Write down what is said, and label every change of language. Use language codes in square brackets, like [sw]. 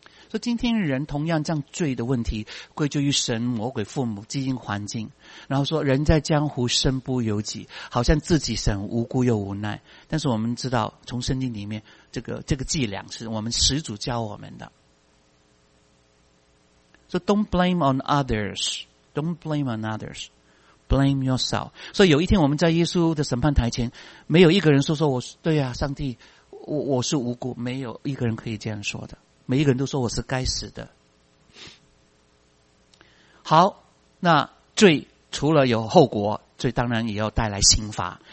[zh] 所以今天人同样这样罪的问题归咎于神、魔鬼、父母、基因、环境，然后说人在江湖身不由己，好像自己神无辜又无奈。但是我们知道从圣经里面这个伎俩是我们始祖教我们的。 [en] So don't blame on others, don't blame on others, blame yourself. [zh] 所以有一天我们在耶稣的审判台前，没有一个人说我对啊，上帝，我是无辜，没有一个人可以这样说的。每一个人都说我是该死的。好，那罪除了有后果，罪当然也要带来刑罚。